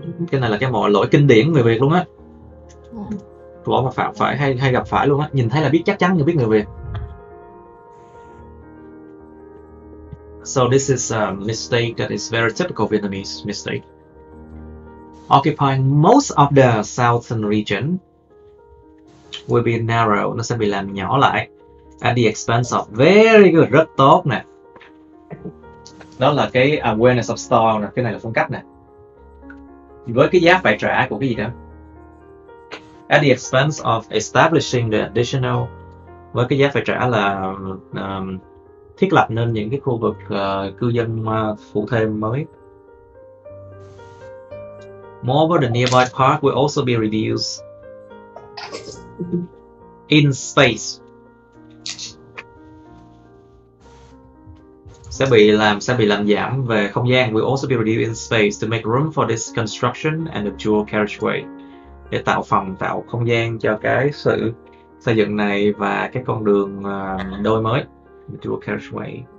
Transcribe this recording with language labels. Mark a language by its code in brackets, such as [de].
[vi] Cái này là cái mọi lỗi kinh điển người Việt luôn á. Lỗi mà phạm phải hay gặp phải luôn á, nhìn thấy là biết chắc chắn người biết người Việt. [en] So this is a mistake that is very typical Vietnamese mistake. Occupying most of the southern region will be narrow, [vi] nó sẽ bị làm nhỏ lại. [en] At the expense of, very good, [vi] rất tốt nè. Đó là cái [en] awareness of style [vi] nè, cái này là phong cách nè. Với cái giá phải trả của cái gì đó. [en] At the expense of establishing the additional, [vi] với cái giá phải trả là thiết lập nên những cái khu vực cư dân phụ thêm mới. [en] Moreover, the nearby park will also be reduced in space. [vi] Sẽ bị làm giảm về không gian. [en] Will also be reduced in space to make room for this construction and the dual carriageway. [vi] Để tạo phòng, tạo không gian cho cái sự xây dựng này và cái con đường đôi mới, [en] the dual carriageway.